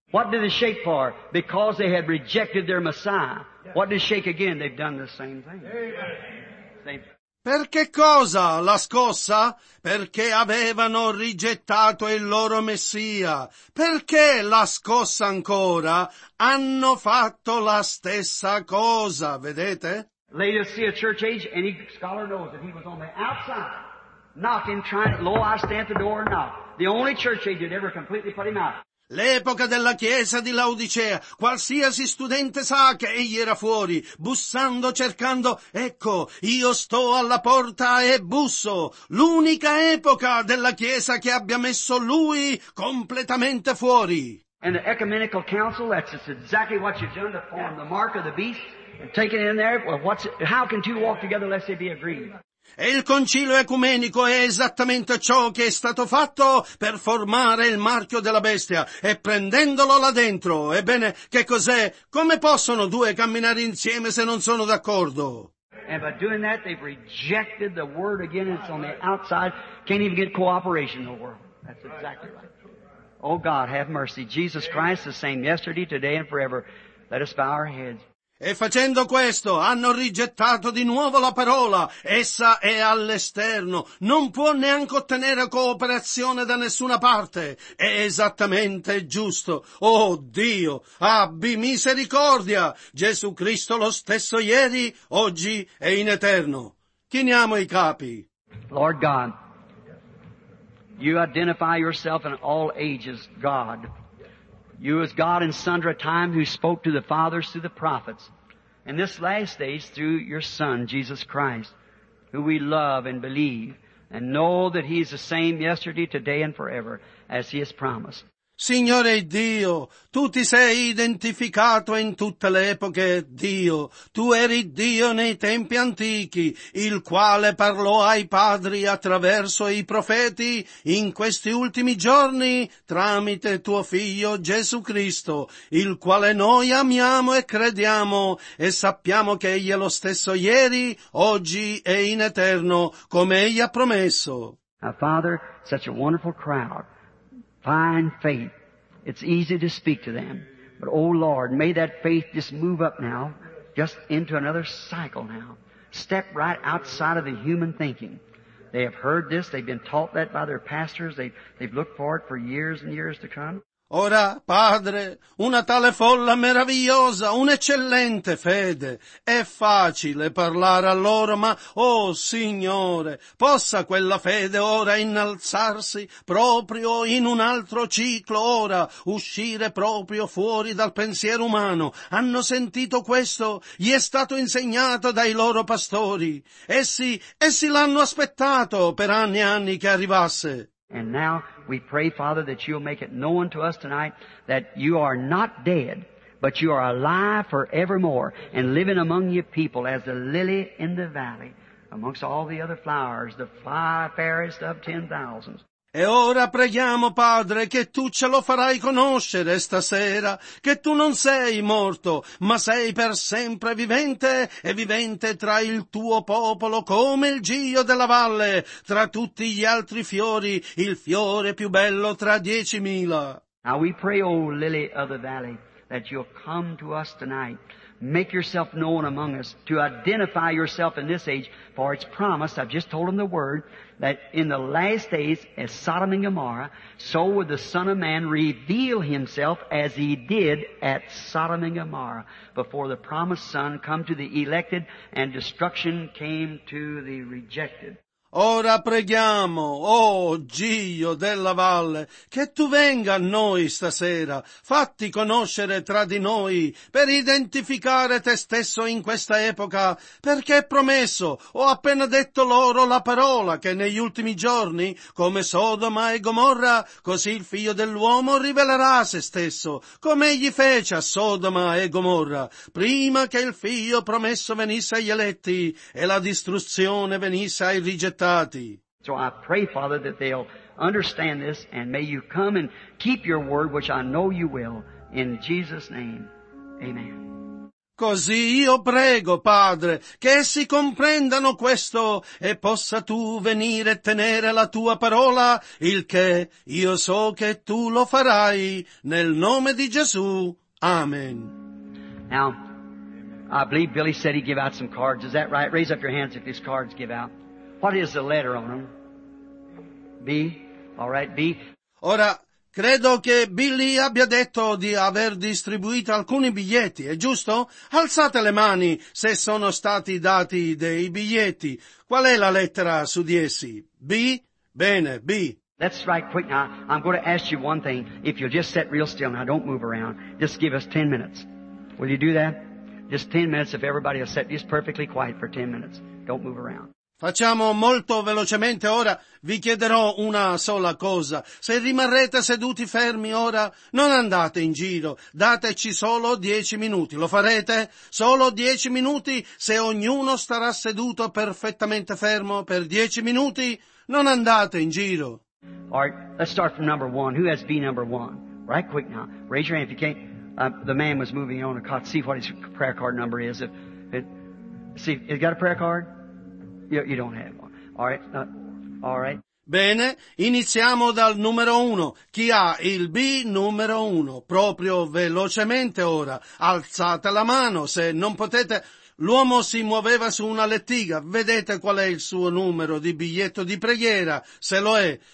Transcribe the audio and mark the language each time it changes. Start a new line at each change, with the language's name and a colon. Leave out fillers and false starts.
English: What did it shake for? Because they had rejected their Messiah. What did it shake again? They've done the same thing.
Italian: Per che cosa la scossa? Perché avevano rigettato il loro Messia. Perché la scossa ancora? Hanno fatto la stessa cosa, vedete?
English: Laodicea Church Age, any scholar knows that he was on the outside, knocking, trying, lo, I stand at the door and knock. The only church age that ever completely put him out.
Italian: L'epoca della chiesa di Laodicea, qualsiasi studente sa che egli era fuori, bussando, cercando, ecco, io sto alla porta e busso. L'unica epoca della chiesa che abbia messo lui completamente fuori.
English: And the ecumenical council, that's just exactly what you've done to form the mark of the beast, and take it in there, well, how can two walk together lest they be agreed?
Italian: E il concilio ecumenico è esattamente ciò che è stato fatto per formare il marchio della bestia e prendendolo là dentro. Ebbene, che cos'è? Come possono due camminare insieme se non sono d'accordo?
English: And by doing that they've rejected the word again, it's on the outside, can't even get cooperation in the world. That's exactly right. Oh God, have mercy. Jesus Christ the same yesterday, today and forever. Let us bow our heads.
Italian: E facendo questo, hanno rigettato di nuovo la parola. Essa è all'esterno. Non può neanche ottenere cooperazione da nessuna parte. È esattamente giusto. Oh Dio, abbi misericordia. Gesù Cristo lo stesso ieri, oggi e in eterno. Chiniamo i capi.
English: Lord God, you identify yourself in all ages, God. You as God in sundry time who spoke to the fathers through the prophets. In this last days through your Son, Jesus Christ, who we love and believe and know that He is the same yesterday, today and forever as He has promised.
Italian: Signore Dio, Tu ti sei identificato in tutte le epoche, Dio. Tu eri Dio nei tempi antichi, il quale parlò ai padri attraverso i profeti in questi ultimi giorni tramite Tuo Figlio Gesù Cristo, il quale noi amiamo e crediamo e sappiamo che Egli è lo stesso ieri, oggi e in eterno, come Egli ha promesso.
English: Our Father, such a wonderful crowd. Find faith. It's easy to speak to them. But, oh Lord, may that faith just move up now, just into another cycle now. Step right outside of the human thinking. They have heard this. They've been taught that by their pastors. They've looked for it for years and years to come.
Italian: Ora, Padre, una tale folla meravigliosa, un'eccellente fede. È facile parlare a loro, ma, oh Signore, possa quella fede ora innalzarsi proprio in un altro ciclo, ora uscire proprio fuori dal pensiero umano. Hanno sentito questo? Gli è stato insegnato dai loro pastori. Essi l'hanno aspettato per anni e anni che arrivasse.
English: And now we pray, Father, that you'll make it known to us tonight that you are not dead, but you are alive forevermore and living among your people as the lily in the valley amongst all the other flowers, the fairest of 10,000.
Italian: E ora preghiamo, Padre, che tu ce lo farai conoscere stasera, che tu non sei morto, ma sei per sempre vivente e vivente tra il tuo popolo come il giglio della valle, tra tutti gli altri fiori, il fiore più bello tra 10,000.
English: Now we pray, O lily of the valley, that you'll come to us tonight. Make yourself known among us to identify yourself in this age, for it's promised, I've just told them the word, that in the last days, as Sodom and Gomorrah, so would the Son of Man reveal himself as he did at Sodom and Gomorrah, before the promised Son come to the elected and destruction came to the rejected.
Italian: Ora preghiamo, oh Giglio della Valle, che tu venga a noi stasera, fatti conoscere tra di noi, per identificare te stesso in questa epoca, perché è promesso, ho appena detto loro la parola, che negli ultimi giorni, come Sodoma e Gomorra, così il Figlio dell'Uomo rivelerà se stesso, come egli fece a Sodoma e Gomorra, prima che il Figlio promesso venisse agli eletti e la distruzione venisse ai rigettati.
English: So I pray, Father, that they'll understand this, and may you come and keep your word, which I know you will, in Jesus' name. Amen.
Italian: Così io prego, Padre, che essi comprendano questo e possa tu venire e tenere la tua parola, il che io so che tu lo farai, nel nome di Gesù. Amen.
English: Now, I believe Billy said he'd give out some cards. Is that right? Raise up your hands if these cards give out. What is the letter on them? B. All right, B.
Italian: Ora, credo che Billy abbia detto di aver distribuito alcuni biglietti, è giusto? Alzate le mani se sono stati dati dei biglietti. Qual è la lettera su di essi? B. Bene, B.
English: That's right, quick. Now, I'm going to ask you one thing. If you'll just sit real still now, don't move around. Just give us 10 minutes. Will you do that? Just 10 minutes if everybody will sit just perfectly quiet for 10 minutes. Don't move around.
Italian: Facciamo molto velocemente ora, vi chiederò una sola cosa. Se rimarrete seduti fermi ora, non andate in giro, dateci solo 10 minuti. Lo farete? Solo 10 minuti se ognuno starà seduto perfettamente fermo per 10 minuti, non andate in giro.
English: All right, let's start from number one. Who has B number one? Right quick now. Raise your hand if you can't. The man was moving on a card. See what his prayer card number is. See, he's got a prayer card? You don't have one. All right. All right.
Italian: Bene, iniziamo dal numero uno. Chi ha il B numero uno? Proprio velocemente ora. Alzate la mano se non potete. L'uomo si muoveva su una lettiga. Vedete qual è il suo numero di biglietto di preghiera? Se lo è.